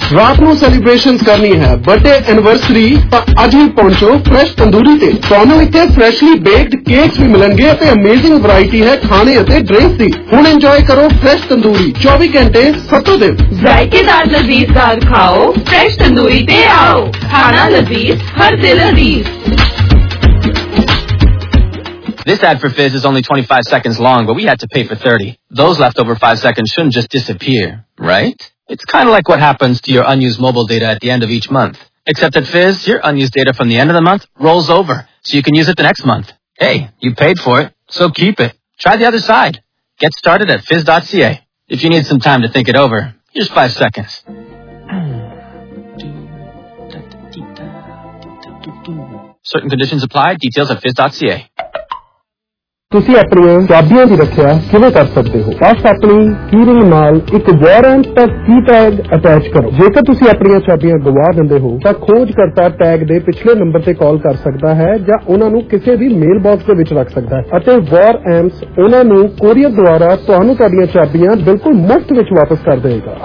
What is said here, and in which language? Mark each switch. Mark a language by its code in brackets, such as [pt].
[pa] ਰਾਤ ਨੂੰ ਸੈਲੀਬ੍ਰੇਸ਼ਨ ਕਰਨੀ ਹੈ, ਬਰਥਡੇ ਐਨਵਰਸਰੀ, ਤਾਂ ਅੱਜ ਹੀ ਪਹੁੰਚੋ ਫਰੈਸ਼ ਤੰਦੂਰੀ ਤੇ। ਤੁਹਾਨੂੰ ਇੱਥੇ ਫਰੈਸ਼ਲੀ ਬੇਕਡ ਕੇਕਸ ਵੀ ਮਿਲਣਗੇ ਅਤੇ ਅਮੇਜ਼ਿੰਗ ਵਰਾਇਟੀ ਹੈ ਖਾਣੇ ਅਤੇ ਡਰਿੰਕ ਦੀ। ਹੁਣ ਇੰਜੋਏ ਕਰੋ ਫਰੈਸ਼ ਤੰਦੂਰੀ 24 ਘੰਟੇ 7 ਦਿਨ। ਜ਼ਾਇਕੇਦਾਰ ਲਜ਼ੀਜ਼ਦਾਰ ਖਾਓ, ਫਰੈਸ਼ ਤੰਦੂਰੀ ਤੇ ਆਓ। ਖਾਣਾ ਲਜ਼ੀਜ਼, ਹਰ ਦਿਲ ਅਜ਼ੀਜ਼। [en] This ad for Fizz is only 25 seconds long, but we had to pay for 30. Those leftover 5 seconds shouldn't just disappear, right? It's kind of like what happens to your unused mobile data at the end of each month. Except at Fizz, your unused data from the end of the month rolls over, so you can use it the next month. Hey, you paid for it, so keep it. Try the other side. Get started at fizz.ca. If you need some time to think it over, here's 5 seconds. Certain conditions apply. Details at fizz.ca. [pa] ਤੁਸੀਂ ਆਪਣੀਆਂ ਚਾਬੀਆਂ ਦੀ ਰੱਖਿਆ ਕਿਵੇਂ ਕਰ ਸਕਦੇ ਹੋ? ਬਸ ਆਪਣੀ keyring ਨਾਲ ਇੱਕ ਵਾਰੰਟ ਤੇ ਕੀ ਟੈਗ ਅਟੈਚ ਕਰੋ। ਜੇਕਰ ਤੁਸੀਂ ਆਪਣੀਆਂ ਚਾਬੀਆਂ ਗਵਾ ਦਿੰਦੇ ਹੋ ਤਾਂ ਖੋਜਕਰਤਾ ਟੈਗ ਦੇ ਪਿਛਲੇ ਨੰਬਰ ਤੇ ਕਾਲ ਕਰ ਸਕਦਾ ਹੈ ਜਾਂ ਉਹਨਾਂ ਨੂੰ ਕਿਸੇ ਵੀ ਮੇਲ ਬਾਕਸ ਦੇ ਵਿੱਚ ਰੱਖ ਸਕਦਾ ਹੈ, ਅਤੇ ਵਾਰ ਐਮਸ ਉਹਨਾਂ ਨੂੰ ਕੋਰੀਅਰ ਦੁਆਰਾ ਤੁਹਾਨੂੰ ਤੁਹਾਡੀਆਂ ਚਾਬੀਆਂ ਬਿਲਕੁਲ ਮੁਫ਼ਤ ਵਿੱਚ ਵਾਪਸ ਕਰ ਦੇਵੇਗਾ।